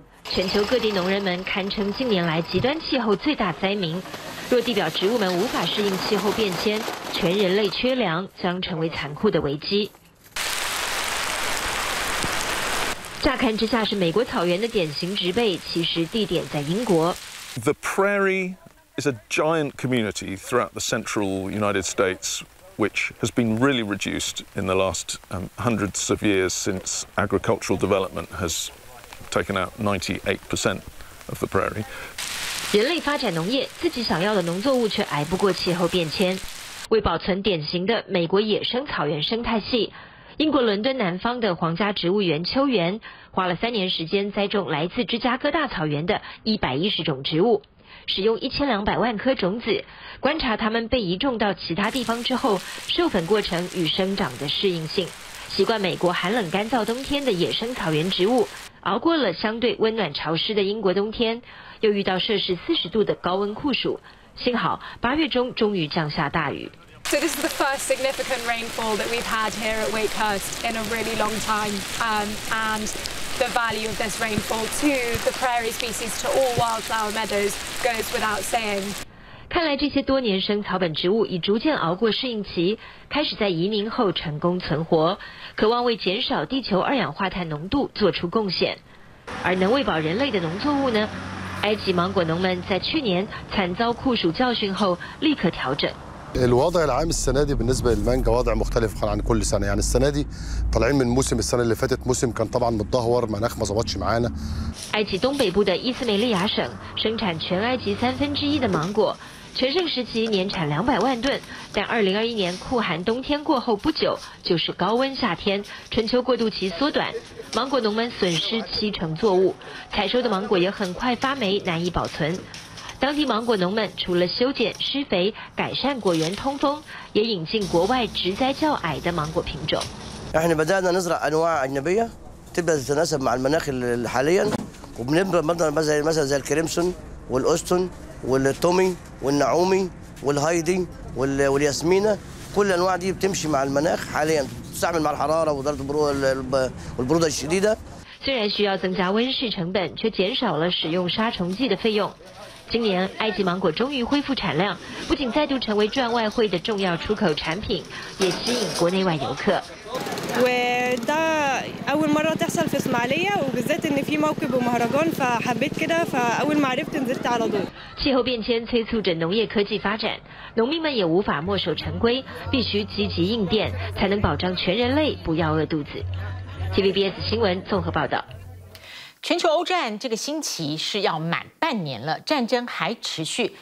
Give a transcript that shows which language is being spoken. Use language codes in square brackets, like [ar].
[zh] 全球各地农人们堪称近年来极端气候最大灾民。若地表植物们无法适应气候变迁，全人类缺粮将成为残酷的危机。乍看之下是美国草原的典型植被，其实地点在英国。 [en] The prairie is a giant community throughout the central United States, which has been really reduced in the last hundreds of years since agricultural development has taken out 98% of the prairie. [zh] 人类发展农业，自己想要的农作物却挨不过气候变迁。为保存典型的美国野生草原生态系，英国伦敦南方的皇家植物园秋园花了3年时间栽种来自芝加哥大草原的110种植物，使用1200万颗种子，观察它们被移种到其他地方之后授粉过程与生长的适应性。习惯美国寒冷干燥冬天的野生草原植物，熬过了相对温暖潮湿的英国冬天，又遇到摄氏40度的高温酷暑，幸好8月中终于降下大雨。 [en] So this is the first significant rainfall that we've had here at Wakehurst in a really long time, and the value of this rainfall to the prairie species, to all wildflower meadows, goes without saying. [zh] 看来这些多年生草本植物已逐渐熬过适应期，开始在移民后成功存活，渴望为减少地球二氧化碳浓度做出贡献。而能喂饱人类的农作物呢？埃及芒果农们在去年惨遭酷暑教训后，立刻调整。 [ar] الوضع العام السنة دي بالنسبة للمانجا وضع مختلف عن كل سنة يعني السنة دي طالعين من موسم السنة اللي فاتت موسم كان طبعا متدهور مناخ ما ظبطش معانا [zh] 埃及东北部的伊斯梅利亚省生产全埃及1/3的芒果，全盛时期年产200万吨，但2021年酷寒冬天过后不久就是高温夏天，春秋过渡期缩短，芒果农们损失70%作物，采收的芒果也很快发霉，难以保存。当地芒果农们除了修剪、施肥、改善果园通风，也引进国外植栽较矮的芒果品种。 [ar] احنا بدأنا نزرع أنواع أجنبية تبدأ تتناسب مع المناخ الحالي وبنبدأ مثلاً زي الكريمسون والأستون والتومي والنعومي والهايدي والياسمينة كل الأنواع دي بتمشي مع المناخ حالياً تستعمل مع الحرارة ودرجة البرودة الشديدة. [zh] 虽然需要增加温室成本，却减少了使用杀虫剂的费用。今年埃及芒果终于恢复产量，不仅再度成为赚外汇的重要出口产品，也吸引国内外游客。 [ar] أول مرة تحصل في إسماعيلية وبالذات إن في موكب ومهرجان فحبيت كده فأول ما عرفت نزلت على طول. [zh] 气候变迁催促着农业科技发展，农民们也无法墨守成规，必须积极应变，才能保障全人类不要饿肚子。 TVBS 新闻综合报道。全球欧战这个星期是要满半年了，战争还持续。